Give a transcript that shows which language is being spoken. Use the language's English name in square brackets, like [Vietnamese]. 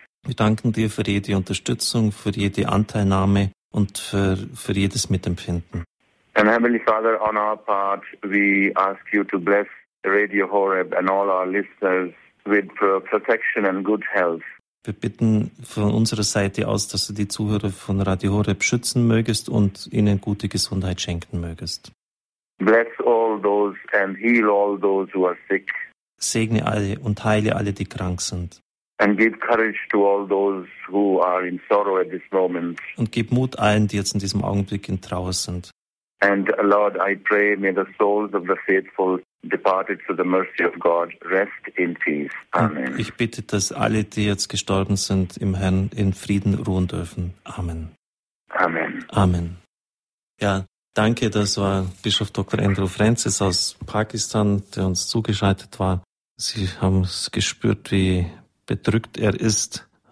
[German] Wir danken dir für jede Unterstützung, für jede Anteilnahme und für jedes Mitempfinden. [English] And Heavenly Father, on our part, we ask you to bless Radio Horeb and all our listeners with protection and good health. [German] Wir bitten von unserer Seite aus, dass du die Zuhörer von Radio Horeb schützen mögest und ihnen gute Gesundheit schenken mögest. [English] Bless all those and heal all those who are sick. [German] Segne alle und heile alle, die krank sind. [English] And give courage to all those who are in sorrow at this moment. [German] Und gib Mut allen, die jetzt in diesem Augenblick in Trauer sind. [English] And Lord, I pray, may the souls of the faithful departed to the mercy of God rest in peace. Amen. [German] Ich bitte, dass alle, die jetzt gestorben sind, im Herrn in Frieden ruhen dürfen. Amen. Amen. Amen. Ja. Danke, das war Bischof Dr. Andrew Francis aus Pakistan, der uns zugeschaltet war. Sie haben es gespürt, wie bedrückt er ist.